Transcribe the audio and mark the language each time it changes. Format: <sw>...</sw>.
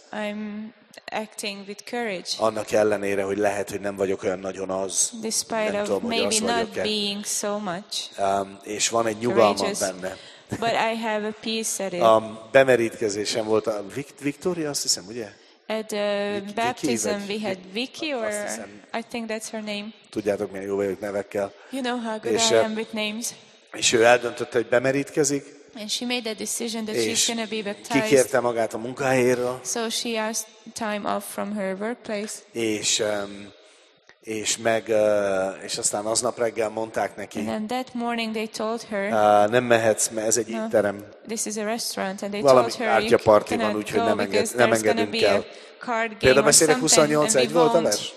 <en>I'm acting with courage.</en> <hu>Annak ellenére, hogy lehet, hogy nem vagyok olyan nagyon az.</hu> <en>Despite</en> <hu>nem tudom,</hu> <en>of maybe</en> <hu>hogy az</hu> <en>not being so much.</en> <hu>És van egy nyugalmam benne.</hu> <en>But I have a peace at it.</en> <hu>Bemerítkezésem volt a Victoria, azt hiszem, ugye?</hu> <en>At the baptism we had Vicky or I think that's her name.</en> <hu>Tudjátok, milyen jó vagyok nevekkel.</hu> <en>You know how good</en> <hu>és,</hu> <en>I am with names.</en> <hu>És ő eldöntötte, hogy bemerítkezik.</hu> <en>And she made a decision that she's going to be baptized.</en> <hu>Kikérte magát a munkahelyéről.</hu> <en>So she asked time off from her workplace.</en> <hu>És aztán aznap reggel mondták neki.</hu> <en>And that morning they told her.</en> <hu>Nem mehetsz, mert ez egy étterem.</hu> <en>This is a restaurant and they</en> <hu>valami</hu> <en>told her.</en> <hu>Valami tárgyaparti van, úgyhogy nem engedünk el. Példabeszélek 28:1 volt a vers.</hu>